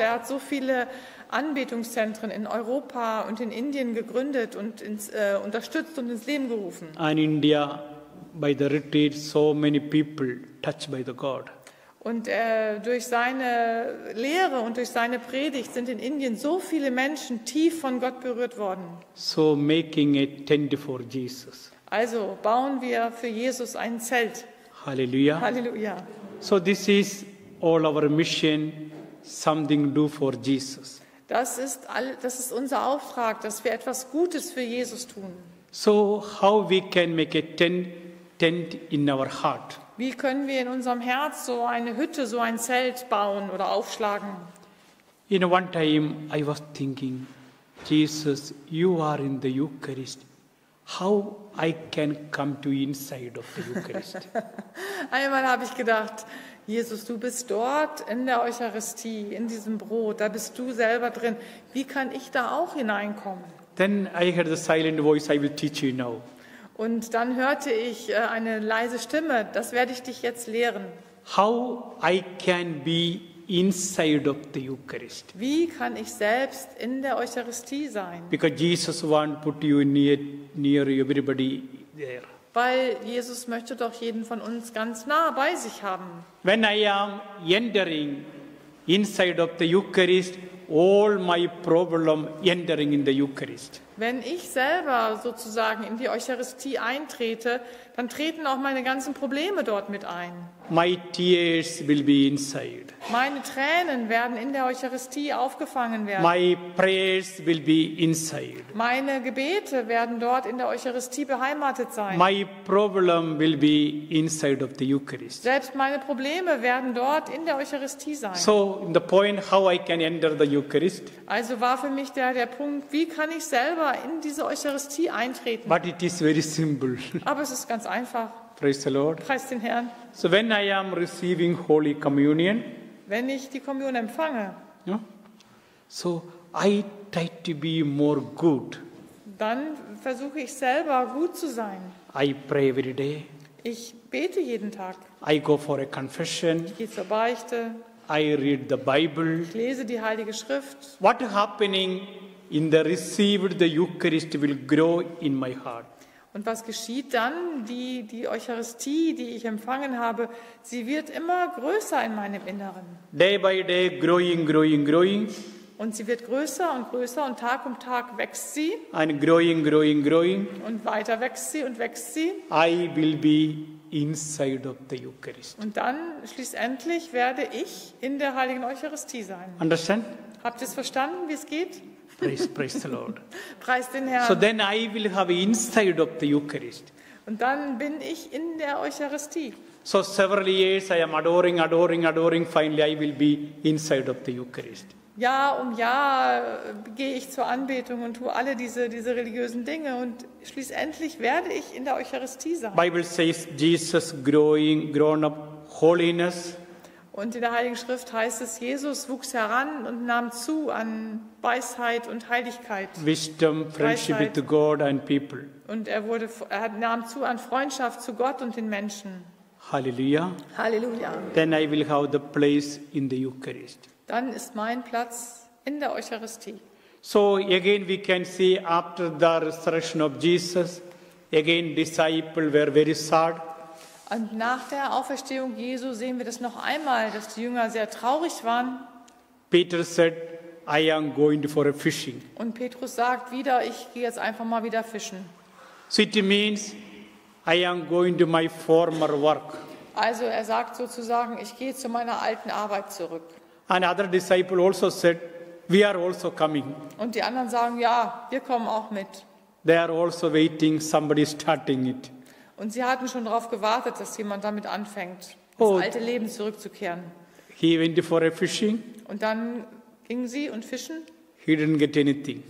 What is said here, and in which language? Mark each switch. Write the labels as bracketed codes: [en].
[de] Er hat so viele Anbetungszentren in Europa und in Indien gegründet und unterstützt und ins Leben gerufen. [en] In India, by the retreat, so many people touched by the God. [de] Und durch seine Lehre und durch seine Predigt sind in Indien so viele Menschen tief von Gott berührt worden. [en] So making a tent for Jesus. [de] Also bauen wir für Jesus ein Zelt. Halleluja. Halleluja. [en] So this is all our mission, something do for Jesus. [de] Das ist unser Auftrag, dass wir etwas Gutes für Jesus tun. [en] So how we can make a tent in our heart. [de] Wie können wir in unserem Herz so eine Hütte, so ein Zelt bauen oder aufschlagen? [en] In one time I was thinking, Jesus, you are in the Eucharist. How I can come to inside of the Eucharist? [de] Einmal habe ich gedacht, Jesus, du bist dort in der Eucharistie, in diesem Brot, da bist du selber drin. Wie kann ich da auch hineinkommen? [en] Then I heard the silent voice, I will teach you now. [de] Und dann hörte ich eine leise Stimme, das werde ich dich jetzt lehren. [en] How I can be inside of the Eucharist. [de] Wie kann ich selbst in der Eucharistie sein? [en] Because Jesus want put you near everybody there. [de] Weil Jesus möchte doch jeden von uns ganz nah bei sich haben. [en] When I am entering inside of the Eucharist, all my problem entering in the Eucharist. [de] Wenn ich selber sozusagen in die Eucharistie eintrete, dann treten auch meine ganzen Probleme dort mit ein. [en] My tears will be inside. [de] Meine Tränen werden in der Eucharistie aufgefangen werden. [en] My prayers will be inside. [de] Meine Gebete werden dort in der Eucharistie beheimatet sein. [en] My problem will be inside of the Eucharist. [de] Selbst meine Probleme werden dort in der Eucharistie sein. [en] So, in the point how I can enter the Eucharist. [de] Also war für mich der Punkt, wie kann ich selber in diese Eucharistie eintreten? [en] But it is very simple. [de] Aber es ist ganz einfach. [en] Praise the Lord. [de] Preist den Herrn. [en] So when I am receiving Holy Communion, [de] wenn ich die Kommunion empfange, [en] yeah, so I try to be more good. [de] Dann versuche ich selber gut zu sein. [en] I pray every day. [de] Ich bete jeden Tag. [en] I go for a confession. [de] Ich gehe zur Beichte. [en] I read the Bible. [de] Ich lese die Heilige Schrift. [en] What happening in the received the Eucharist will grow in my heart. [de] Und was geschieht dann? Die Eucharistie, die ich empfangen habe, sie wird immer größer in meinem Inneren. [en] Day by day, growing, growing, growing. [de] Und sie wird größer und größer und Tag um Tag wächst sie. [en] And growing, growing, growing. [de] Und weiter wächst sie und wächst sie. [en] I will be inside of the Eucharist. [de] Und dann schließlich werde ich in der Heiligen Eucharistie sein. [en] Understand? [de] Habt ihr es verstanden, wie es geht? [en] Praise the Lord. [de] Preist den Herrn. [en] So then I will have inside of the Eucharist. [de] Und dann bin ich in der Eucharistie. [en] So several years I am adoring, adoring, adoring. Finally I will be inside of the Eucharist. [de] Jahr um Jahr gehe ich zur Anbetung und tue alle diese religiösen Dinge und schließlich werde ich in der Eucharistie sein. [en] Bible says Jesus grown up holiness. [de] Und in der Heiligen Schrift heißt es, Jesus wuchs heran und nahm zu an Weisheit und Heiligkeit. [en] Wisdom, friendship with God and people. [de] Und er nahm zu an Freundschaft zu Gott und den Menschen. Halleluja. Halleluja. [en] Then I will have the place in the Eucharist. [de] Dann ist mein Platz in der Eucharistie. [en] So again we can see after the resurrection of Jesus, again disciples were very sad. [de] Und nach der Auferstehung Jesu sehen wir das noch einmal, dass die Jünger sehr traurig waren. [en] Peter said, I am going for a fishing. [de] Und Petrus sagt wieder, ich gehe jetzt einfach mal wieder fischen. [en] So it means, I am going to my former work. [de] Also er sagt sozusagen, ich gehe zu meiner alten Arbeit zurück. [en] And other disciple also said, we are also coming. [de] Und die anderen sagen, ja, wir kommen auch mit. [en] They are also waiting, somebody starting it. [de] Und sie hatten schon darauf gewartet, dass jemand damit anfängt, das alte Leben zurückzukehren. [en] He went for a fishing. [de] Und dann gingen sie und fischen. [en] He didn't get anything.